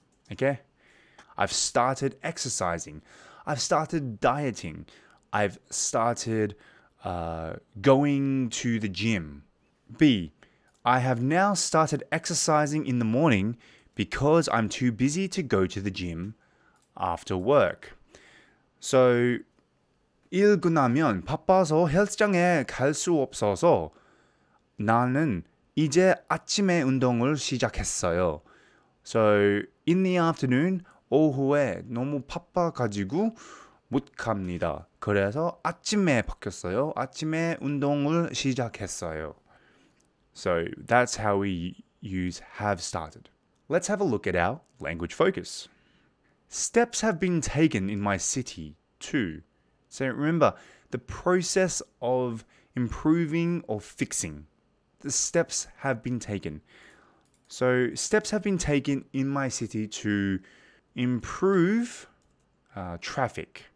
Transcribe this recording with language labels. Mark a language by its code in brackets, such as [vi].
[en] Okay? I've started exercising. I've started dieting. I've started going to the gym. B. I have now started exercising in the morning because I'm too busy to go to the gym after work. [ko] So, 일고 나면 바빠서 헬스장에 갈 수 없어서 나는 이제 아침에 운동을 시작했어요. [en] So, in the afternoon, [ko] 오후에 너무 바빠가지고 못 갑니다. 그래서 아침에 바뀌었어요. 아침에 운동을 시작했어요. [en] So, that's how we use have started. Let's have a look at our language focus. Steps have been taken in my city, too. So remember, the process of improving or fixing. The steps have been taken. So, steps have been taken in my city to improve traffic.